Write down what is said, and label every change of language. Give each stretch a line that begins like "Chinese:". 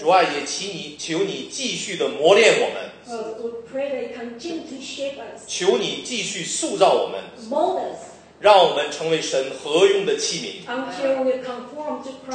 Chinese: 主啊，也求你继续的磨练我们。
English: We pray that you continue to shape us.
Chinese: 求你继续塑造我们。
English: Mold us.
Chinese: 让我们成为神合用的器皿。